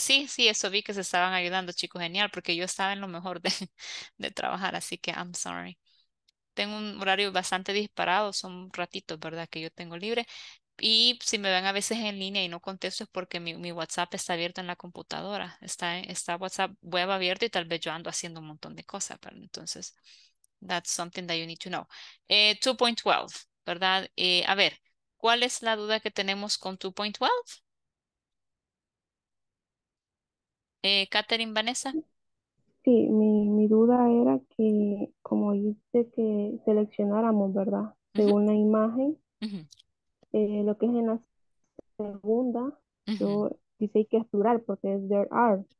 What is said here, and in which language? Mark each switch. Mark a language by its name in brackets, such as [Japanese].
[Spanish] Sí, sí, eso vi que se estaban ayudando, chicos, genial, porque yo estaba en lo mejor de trabajar, así que [English] I'm sorry. [Spanish] Tengo un horario bastante disparado, son ratitos, ¿verdad?, que yo tengo libre. Y si me ven a veces en línea y no contesto es porque mi WhatsApp está abierto en la computadora. Está WhatsApp web abierto y tal vez yo ando haciendo un montón de cosas. Pero entonces, [English] that's something that you need to know. [Spanish] 2.12, ¿verdad? A ver, ¿cuál es la duda que tenemos con 2.12? Katherine, Vanessa. Sí, mi duda era que, como dice que seleccionáramos, ¿verdad? Según la imagen. Lo que es en la segunda, yo dice que es plural porque es [English] there are.